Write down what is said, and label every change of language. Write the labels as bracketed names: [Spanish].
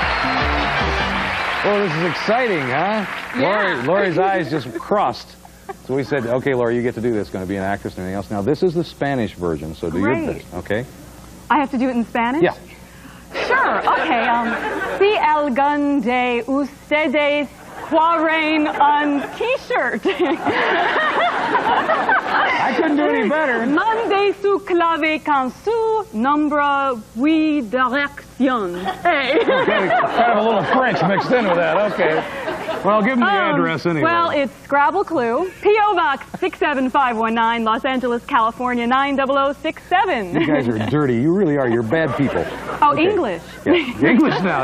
[English] Hey. Oh, this is exciting, huh? Yeah. Lori's eyes just crossed. So we said, okay, Lori, you get to do this. Going to be an actress and anything else. Now, this is the Spanish version, so do great. Your best, okay? I have to do it in Spanish? Yeah. Sure, okay. [Spanish] Si algún de ustedes quieren un [English] t-shirt. I couldn't do any better. [Spanish] Mande su clave con su nombre y dirección. [English] Hey. Kind of a little French mixed in with that, okay. Well, give them the address anyway. Well, it's Scrabble Clue, P.O. Box 67519, Los Angeles, California, 90067. You guys are dirty. You really are. You're bad people. Oh, okay. English. Yeah. English now.